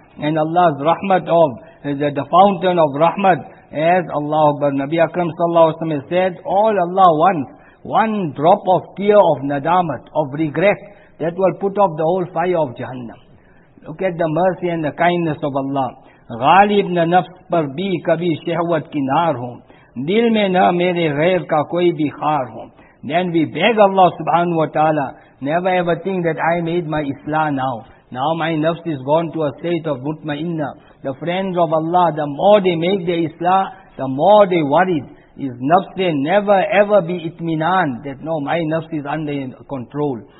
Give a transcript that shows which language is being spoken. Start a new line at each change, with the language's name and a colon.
English: And Allah's rahmat of, the fountain of rahmat, as Allah Akbar, Nabi Akram sallallahu alayhi wa sallam has said, all Allah wants, one drop of tear of nadamat, of regret, that will put off the whole fire of Jahannam. Look at the mercy and the kindness of Allah.
Urdu: غالب نہ نفس پر بھی کبھی شہوت کی نار ہوں دل میں نہ میرے غیر کا کوئی بھی خار ہوں.
English: Then we beg Allah subhanahu wa ta'ala, never ever think that I made my islah now. Now my nafs is gone to a state of mutmainna. The friends of Allah, the more they make their islah, the more they worried. Is nafs they never ever be itminan, that no, my nafs is under control.